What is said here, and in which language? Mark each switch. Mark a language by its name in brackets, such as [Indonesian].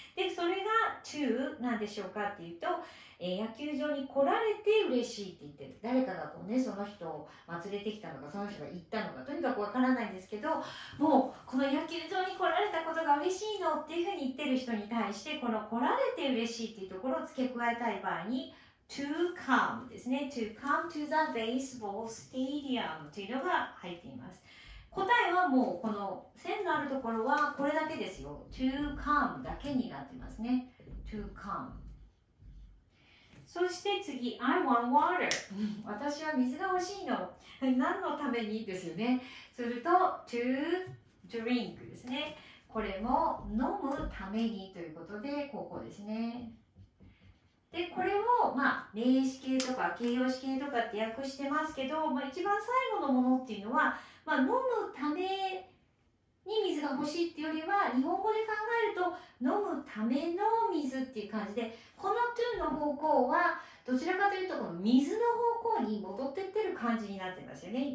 [Japanese] でそれが to なんでしょうかっていうと、野球場に来られて嬉しいって言ってる、誰かがこうね、その人を連れてきたのか、その人が行ったのか、とにかくわからないんですけど、もうこの野球場に来られたことが嬉しいのっていうふうに言ってる人に対して、この来られて嬉しいっていうところを付け加えたい場合に to come ですね。 to come to the baseball stadium というのが入っています。答えはもうこの線のあるところはこれだけですよ。 to come だけになってますね。 [English] to come。そして次、 I want water。 [Japanese] 私は水が欲しいの。何のためにですよね。すると、 to drink ですね。これも飲むためにということで、ここですね。で、これを、まあ、名詞形とか形容詞形とかって訳してますけど、まあ、一番最後のものっていうのは、まあ、飲むために水が欲しいっていうよりは、日本語で考えると、飲むための水っていう感じで、この to の方向はどちらかというとこの水の方向に戻っていってる感じになってますよね。